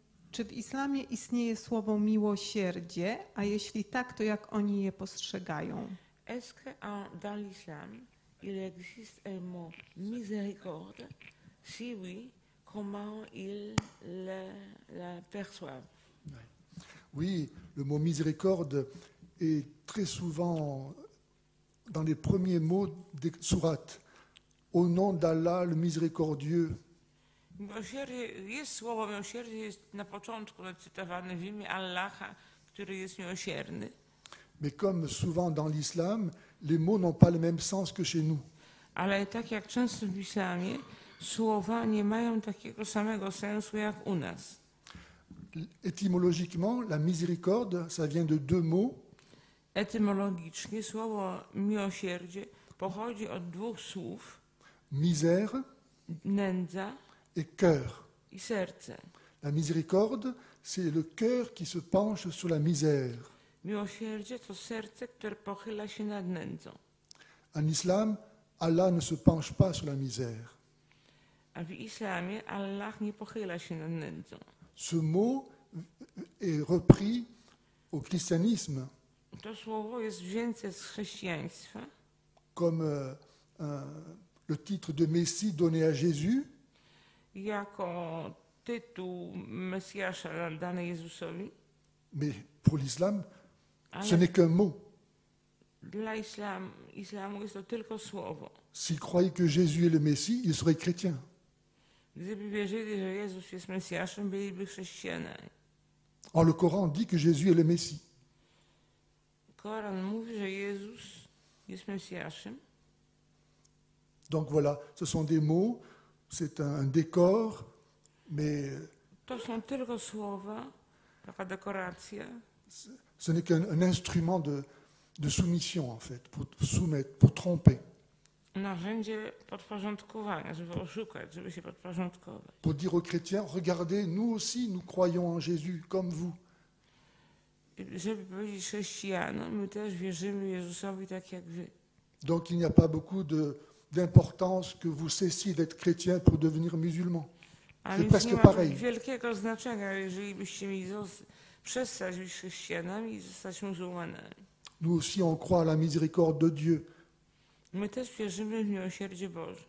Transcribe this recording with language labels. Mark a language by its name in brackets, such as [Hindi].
[Polish] Czy w islamie istnieje słowo miłosierdzie, a jeśli tak, to jak oni je postrzegają? [French] Est-ce que dans l'islam il existe un mot miséricorde? Si oui, comment il la perçoit? Oui, le mot miséricorde est très souvent dans les premiers mots des sourates. Au nom d'Allah, le miséricordieux. [Polish] Miłosierdzie jest na początku cytowane w imię Allaha, który jest miłosierny. [French] Mais comme souvent dans l'islam, les mots n'ont pas le même sens que chez nous. [Polish] Ale tak jak często w islamie, słowa nie mają takiego samego sensu jak u nas. [French] Etymologiquement, la miséricorde, ça vient de deux mots. [Polish] Etymologicznie słowo miłosierdzie pochodzi od dwóch słów. [French] Misère. [Polish] Nędza. [French] Et cœur. [Polish] I serce. [French] La miséricorde, c'est le cœur qui se penche sur la misère. [Polish] Miłosierdzie to serce, które pochyla się nad nędzą. [French] En islam, Allah ne se penche pas sur la misère. [Polish] A w islamie Allah nie pochyla się nad nędzą. [French] Ce mot est repris au christianisme. [Polish] To słowo jest wzięte z chrześcijaństwa. [French] Comme le titre de Messie donné à Jésus. [Polish] Jako tytuł Mesjasza dany Jezusowi. [French] Mais pour l'islam, ce n'est qu'un mot. [Polish] Dla islamu jest to tylko słowo. [French] S'ils croyaient que Jésus est le Messie, ils seraient chrétiens. [Polish] Gdyby wierzyli, że Jezus jest Mesjaszem, byliby chrześcijanami. [French] Or, le Coran dit que Jésus est le Messie. [Polish] Koran mówi, że Jezus jest Mesjaszem. [French] Donc voilà, ce sont des mots, c'est un décor, mais [Polish] to są tylko słowa, taka dekoracja. [French] Ce n'est qu'un instrument de soumission, en fait, pour soumettre, pour tromper. [Polish] Narzędzie podporządkowania, żeby oszukać, żeby się podporządkować. [French] Pour dire aux chrétiens, regardez, nous aussi, nous croyons en Jésus, comme vous. [Polish] żeby powiedzieć chrześcijanom, my też wierzymy Jezusowi tak jak wy. [French] Donc il n'y a pas beaucoup de d'importance que vous cessiez d'être chrétien pour devenir musulman. C'est presque pareil. [Polish] Wielkiego znaczenia, jeżeli byście mi przestać być chrześcijanami i zostać muzułmanami. [French] Nous aussi on croit à la miséricorde de Dieu. [Polish] My też wierzymy w miłosierdzie Boże.